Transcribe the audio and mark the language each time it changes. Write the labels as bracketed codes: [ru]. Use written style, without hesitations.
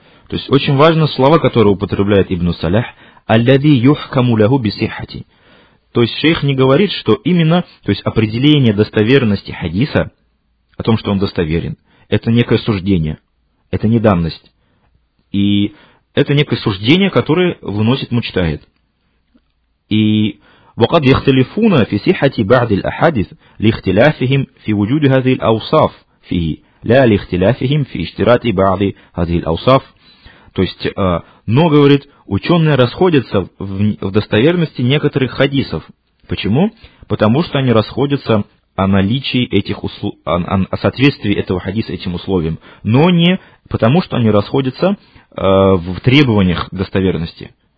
[ru] То есть очень важно слова, которые употребляет Ибн Салях, [ar] «Алляви юхкаму лягу бисихати». [ru] То есть шейх не говорит, что именно, то есть определение достоверности хадиса, о том, что он достоверен, это некое суждение, это не данность. И это некое суждение, которое выносит мучтахид. [ar] И وقد يختلفون في صحة بعض الأحاديث لاختلافهم في وجود هذه الأوصاف فيه لا لاختلافهم في اشتراط بعض هذه الأوصاف. [ru] То есть, но, говорит, ученые расходятся в достоверности некоторых хадисов. Почему? Потому что они расходятся о наличии этих условий, о соответствии этого хадиса этим условиям, но не потому что они расходятся в требованиях достоверности.